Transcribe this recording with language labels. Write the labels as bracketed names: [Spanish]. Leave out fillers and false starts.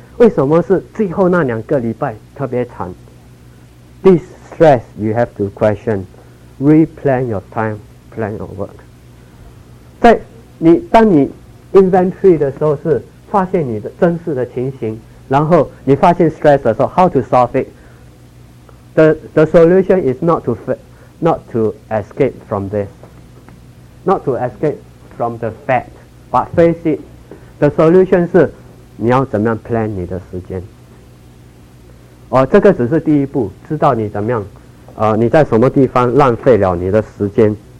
[Chinese] 为什么是最后那两个礼拜特别惨？ [English] thisStress, you have to question, replan your time, plan your work. [Chinese] 在你当你 inventory 的时候，是发现你的真实的情形，然后你发现 stress 的时候 ， [English] how to solve it. The solution is not to escape from the fact, but face it. The solution [Chinese] 是你要怎么样 plan 你的时间。哦，这个只是第一步，知道你怎么样。你在什么地方浪费了你的时间。